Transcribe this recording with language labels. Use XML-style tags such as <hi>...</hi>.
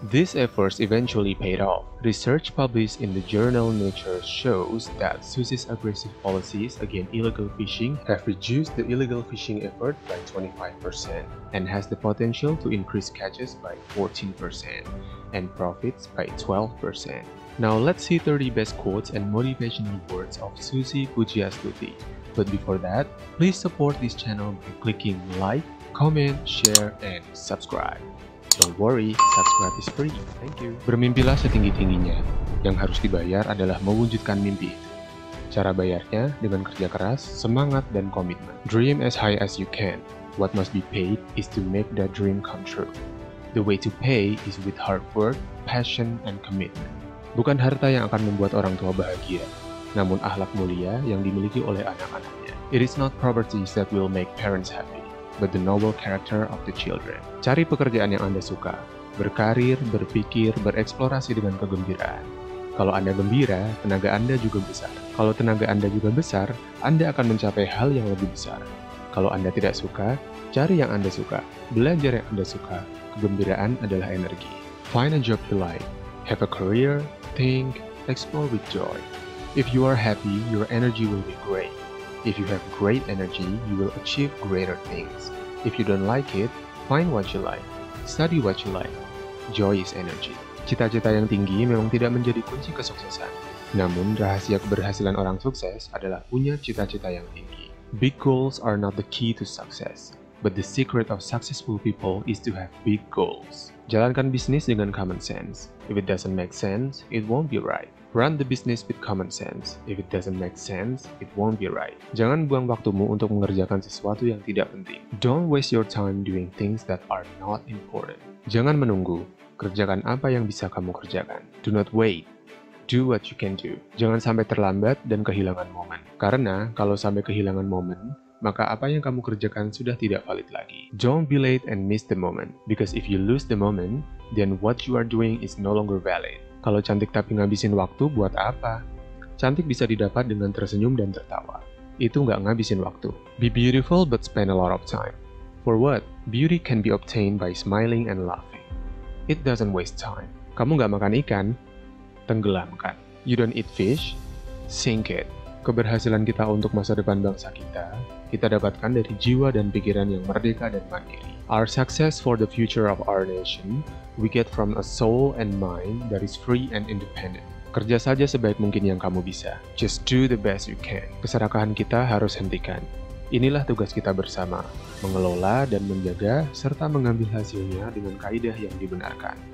<en>These efforts eventually paid off. Research published in the journal Nature shows that SUSI's aggressive policies against illegal fishing have reduced the illegal fishing effort by 25% and has the potential to increase catches by 14% and profits by 12%. Now let's see 30 best quotes and motivational words of SUSI PUDJIASTUTI. But before that, please support this channel by clicking like, comment, share, and subscribe. Don't worry, subscribe is free. Thank you.</en> <id>Bermimpilah setinggi-tingginya. Yang harus dibayar adalah mewujudkan mimpi. Cara bayarnya dengan kerja keras, semangat, dan komitmen.</id> <en>Dream as high as you can. What must be paid is to make that dream come true. The way to pay is with hard work, passion, and commitment.</en> <id>Bukan harta yang akan membuat orang tua bahagia, namun akhlak mulia yang dimiliki oleh anak-anaknya.</id> <en>It is not property that will make parents happy, but the noble character of the children.</en> <id>Cari pekerjaan yang Anda suka. Berkarir, berpikir, bereksplorasi dengan kegembiraan. Kalau Anda gembira, tenaga Anda juga besar. Kalau tenaga Anda juga besar, Anda akan mencapai hal yang lebih besar. Kalau Anda tidak suka, cari yang Anda suka. Belajar yang Anda suka. Kegembiraan adalah energi.</id> <en>Find a job you like. Have a career, think, explore with joy. If you are happy, your energy will be great. If you have great energy, you will achieve greater things. If you don't like it, find what you like. Study what you like. Joy is energy.</en> <id>Cita-cita yang tinggi memang tidak menjadi kunci kesuksesan. Namun, rahasia keberhasilan orang sukses adalah punya cita-cita yang tinggi.</id> <en>Big goals are not the key to success. But the secret of successful people is to have big goals.</en> <id>Jalankan bisnis dengan</id> <en>common sense. If it doesn't make sense, it won't be right. Run the business with common sense. If it doesn't make sense, it won't be right.</en> <id>Jangan buang waktumu untuk mengerjakan sesuatu yang tidak penting.</id> <en>Don't waste your time doing things that are not important.</en> <id>Jangan menunggu. Kerjakan apa yang bisa kamu kerjakan.</id> <en>Do not wait. Do what you can do.</en> <id>Jangan sampai terlambat dan kehilangan momen. Karena kalau sampai kehilangan momen, maka apa yang kamu kerjakan sudah tidak valid lagi.</id> <en>Don't be late and miss the moment. Because if you lose the moment, then what you are doing is no longer valid.</en> <id>Kalau cantik tapi ngabisin waktu, buat apa? Cantik bisa didapat dengan tersenyum dan tertawa. Itu nggak ngabisin waktu.</id> <en>Be beautiful but spend a lot of time. For what? Beauty can be obtained by smiling and laughing. It doesn't waste time.</en> <id>Kamu nggak makan ikan? Tenggelamkan.</id> <en>You don't eat fish? Sink it.</en> <id>Keberhasilan kita untuk masa depan bangsa kita, kita dapatkan dari jiwa dan pikiran yang merdeka dan mandiri.</id> <en>Our success for the future of our nation, we get from a soul and mind that is free and independent.</en> <id>Kerja saja sebaik mungkin yang kamu bisa.</id> <en>Just do the best you can.</en> <id>Keserakahan kita harus hentikan. Inilah tugas kita bersama, mengelola dan menjaga, serta mengambil hasilnya dengan kaidah yang dibenarkan.</id>